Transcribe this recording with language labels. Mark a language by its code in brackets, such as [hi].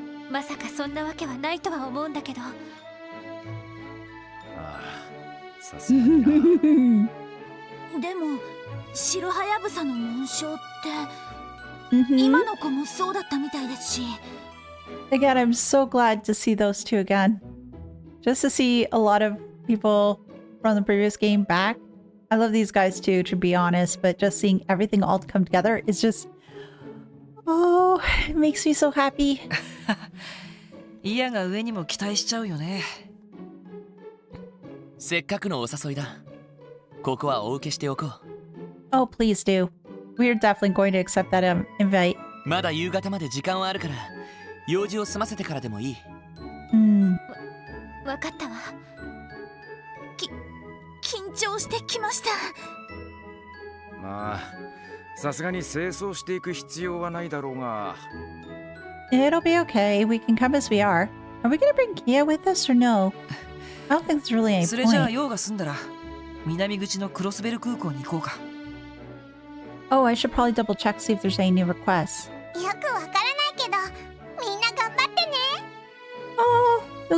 [ja] まさかそんなわけはないとは思うんだけど。ああ、さすがにでも、白羽やぶさの紋章って、今の子もそうだったみたいですし。 [en] Again, I'm so glad to see those two again. Just to see a lot of people from the previous game back. I love these guys too, to be honest, but just seeing everything all come together is just... Oh, it makes me so happy. [ja] イアが上にも期待しちゃうよね。せっかくのお誘いだ。ここはお受けしておこう。 [en] Oh, please do. We are definitely going to accept that invite. [ja] まだ夕方まで時間はあるから、用事を済ませてからでもいい。わかったわ。緊張してきました。まあ。さすがに清掃していく必要はないだろうが。 [en] It'll be okay. We can come as we are. Are we gonna bring Kia with us or no? I don't think it's really a point. [ja] それじゃあ用が済んだら、南口のクロスベル空港に行こうか。 [en] Oh, I should probably double check see if there's any new requests. [ja] よくわからないけど、みんな頑張ってね。